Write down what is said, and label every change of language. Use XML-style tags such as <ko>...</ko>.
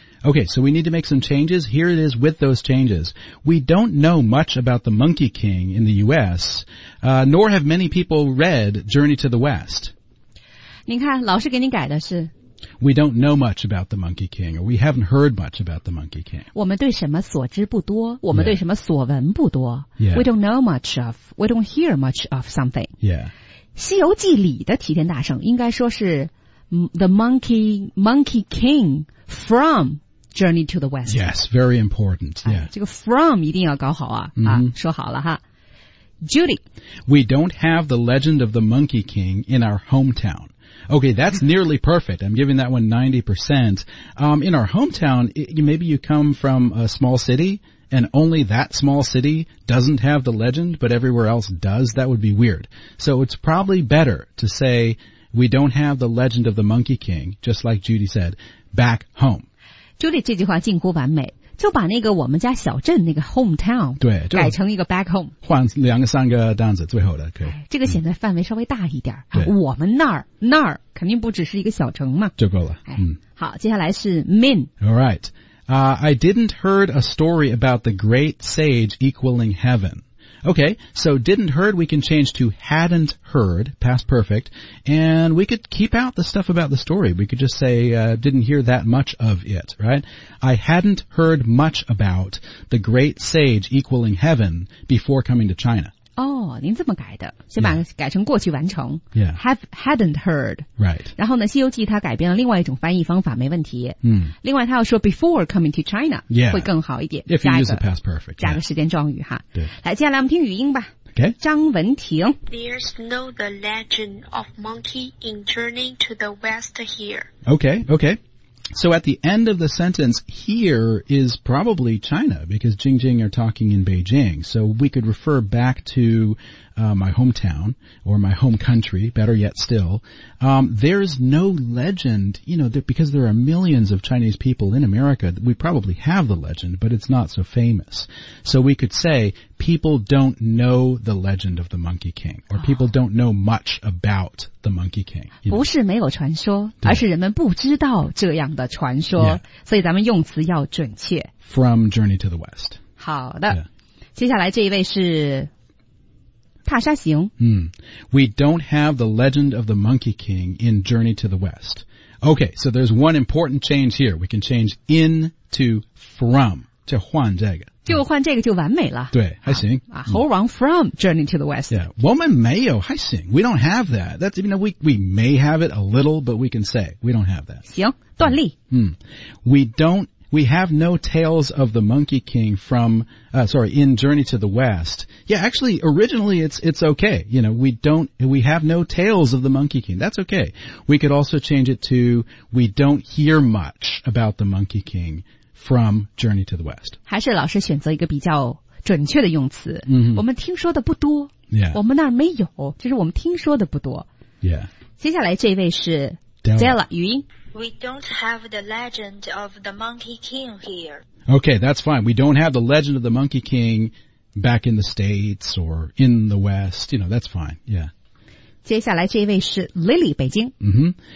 <en>Okay, so we need to make some changes. Here it is with those changes. We don't know much about the Monkey King in the U.S., nor have many people read Journey to the West.</en> <zh>您看老师给您改的是</zh> <en>We don't know much about the Monkey King, or we haven't heard much about the Monkey King.</en> <zh>我们对什么所知不多我们对什么所闻不多</zh> <en>yeah. We don't know much of, we don't hear much of something. Yeah.</en> <zh>西游记里的齐天大圣应该说是</zh> <en>the Monkey King from... Journey to the West. Yes, very important. Yeah.、</en> <zh>这个</zh> <en>from</en> <zh>一定要搞好啊、 mm-hmm. 啊说好了哈 Judy.</zh> <en>We don't have the legend of the Monkey King in our hometown. Okay, that's nearly perfect. I'm giving that one 90%. In our hometown, maybe you come from a small city and only that small city doesn't have the legend, but everywhere else does. That would be weird. So it's probably better to say we don't have the legend of the Monkey King, just like Judy said, back home.</en> <zh>朱莉这句话近乎完美就把那个我们家小镇那个</zh> <en>hometown</en> <zh>对改成一个</zh> <en>back home</en> <zh>换两个三个单子最后的可以、哎、这个显得范围稍微大一点、嗯、我们那儿肯定不只是一个小城嘛就够了、哎嗯、好接下来是 Min</zh> <en>Alright、I didn't heard a story about the great sage equaling heaven Okay, so didn't heard we can change to hadn't heard, past perfect, and we could keep out the stuff about the story. We could just say didn't hear that much of it, right? I hadn't heard much about the great sage equaling heaven before coming to China.</en> <zh>哦、</zh> <en>oh,</en> <zh>您这么改的先把改成过去完成。</zh> <en>Yeah. Hadn't heard. Right.</en> <zh>然后呢西游记它改变了另外一种翻译方法没问题。嗯。另外它要说</zh> <en>before coming to China. Yeah.</en> <zh>会更好一点。</zh> <en>If you use the past perfect.</en> <zh>加个时间状语哈。</zh> <en>Yeah. 对。</en> <zh>来接下来我们听语音吧。</zh> <en>Okay.</en> <zh>张文婷。</zh> <en>There's no the legend of monkey in journey to the west here. Okay, okay. So at the end of the sentence, here is probably China, because Jing Jing are talking in Beijing. So we could refer back to, my hometown, or my home country, better yet still. There's no legend, you know, because there are millions of Chinese people in America, we probably have the legend, but it's not so famous. So we could say, people don't know the legend of the Monkey King, or people don't know much about the Monkey King. You know?</en> <zh>不是没有传说，而是人们不知道这样的传说。</zh> <en>Yeah.</en> <zh>所以咱们用词要准确。</zh> <en>From Journey to the West.</en> <zh>好的。</zh> <en>Yeah.</en> <zh>接下来这一位是踏沙行。 Mm.</zh> <en>We don't have the legend of the Monkey King in Journey to the West. Okay, so there's one important change here. We can change in to from.</en> <zh>就换这个。就换这个就完美了。对，还行。猴王</zh> <en>from Journey to the West. Yeah,</en> <zh>我们没有，还行。</zh> <en>We don't have that. That's, you know, we may have it a little, but we can say we don't have that.</en> <zh>行，断例。 Mm.</zh> <en>We have no tales of the Monkey King in Journey to the West. Yeah, actually, originally it's okay. You know, we have no tales of the Monkey King. That's okay. We could also change it to, we don't hear much about the Monkey King from Journey to the West.</en> <zh>还是老师选择一个比较准确的用词。 Mm-hmm. 我们听说的不多。</zh> <en>Yeah.</en> <zh>我们那儿没有，就是我们听说的不多。</zh> <en>Yeah.</en> <zh>接下来这位是 Della 语音。</zh> <en>We don't have the legend of the Monkey King here. Okay, that's fine. We don't have the legend of the Monkey King back in the States or in the West. You know, that's fine. Yeah.</en> <zh>接下来这位是 Lily, 北京。 Mm-hmm.</zh>